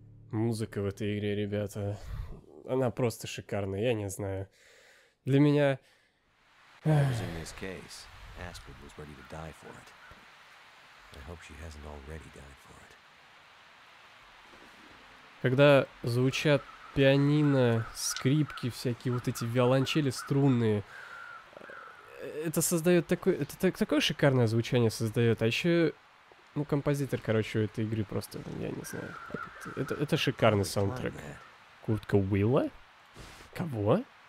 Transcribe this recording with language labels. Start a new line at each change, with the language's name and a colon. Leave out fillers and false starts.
Russian: Музыка в этой игре, ребята. Она просто шикарная, я не знаю. Для меня...
English: In this case, Astrid was ready to die for it. I hope she hasn't already died for it.
Russian: Когда звучат пианино, скрипки, всякие вот эти виолончели струнные, это создает такое, это так, такое шикарное звучание создает. А еще, ну, композитор, короче, у этой игры просто, я не знаю, это шикарный саундтрек. Куртка Уилла? Кого?